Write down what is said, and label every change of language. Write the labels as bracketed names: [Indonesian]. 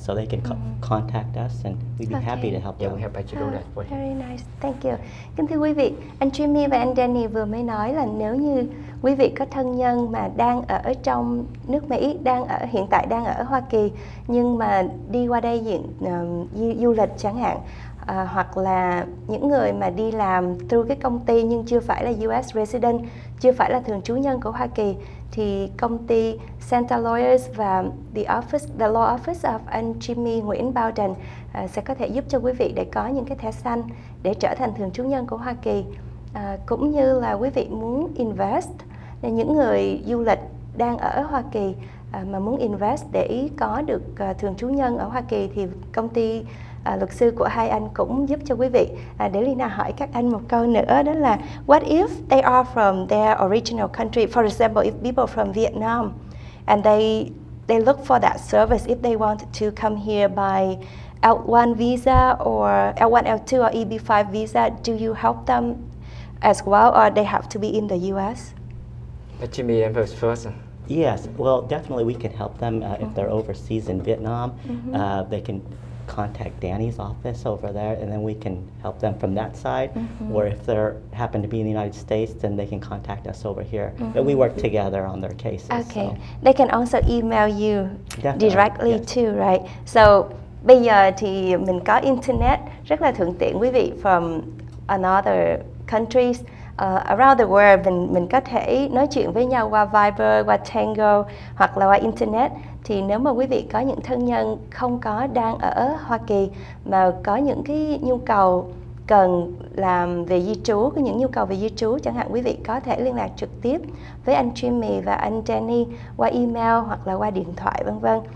[English] So they can contact us, and we'd be happy to help them. Yeah, we're happy to do that for you. Very nice. Thank you. [Vietnamese] Kính thưa quý vị, anh Jimmy và anh Danny vừa mới nói là nếu như quý vị có thân nhân mà đang ở trong nước Mỹ, đang ở hiện tại đang ở Hoa Kỳ, nhưng mà đi qua đây diện du lịch chẳng hạn, hoặc là những người mà đi làm [English] through [Vietnamese] cái công ty nhưng chưa phải là US resident, chưa phải là thường trú nhân của Hoa Kỳ, thì công ty Santa Lawyers và [English] the law office of [Vietnamese] anh Jimmy Nguyễn Bowden sẽ có thể giúp cho quý vị để có những cái thẻ xanh để trở thành thường trú nhân của Hoa Kỳ, cũng như là quý vị muốn invest, là những người du lịch đang ở Hoa Kỳ mà muốn invest để có được thường trú nhân ở Hoa Kỳ, thì công ty luật sư của hai anh cũng giúp cho quý vị. Để Lena hỏi các anh một câu nữa, đó là [English] what if they are from their original country, for example, if people from Vietnam, and they look for that service if they want to come here by L1 visa or L1, L2 or EB-5 visa, do you help them as well, or they have to be in the U.S.? But Jimmy, I'm first. Yes, well, definitely we can help them if they're overseas in Vietnam. They can contact Danny's office over there, and then we can help them from that side. Or if they happen to be in the United States, then they can contact us over here. But we work together on their cases. Okay, so they can also email you directly too, right? [Vietnamese] So, bây giờ thì mình có internet rất là thuận tiện, quý vị, [English] from another countries around the world, [Vietnamese] mình có thể nói chuyện với nhau qua Viber, qua Tango hoặc là qua internet. Thì nếu mà quý vị có những thân nhân không có đang ở Hoa Kỳ mà có những cái nhu cầu cần làm về di trú, có những nhu cầu về di trú, chẳng hạn quý vị có thể liên lạc trực tiếp với anh Jimmy và anh Danny qua email hoặc là qua điện thoại v.v.